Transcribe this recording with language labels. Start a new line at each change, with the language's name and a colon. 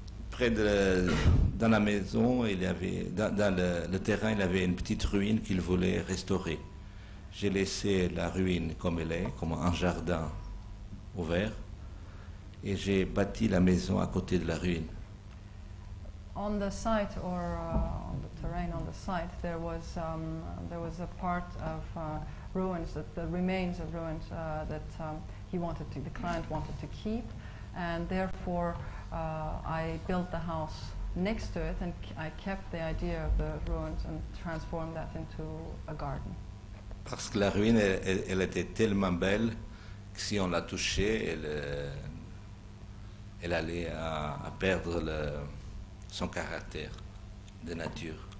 French: Près de dans la maison, il y avait dans le terrain, il y avait une petite ruine qu'il voulait restaurer. J'ai laissé la ruine comme elle est, comme un jardin ouvert, et j'ai bâti la maison à côté de la ruine.
English: On the site, or on the terrain on the site, there was a part of ruins, that the remains of ruins that the client wanted to keep, and therefore I built the house next to it, and I kept the idea of the ruins and transformed that into a garden.
French: Parce que la ruine, elle était tellement belle. Si on la touchait, elle allait à perdre son caractère de nature.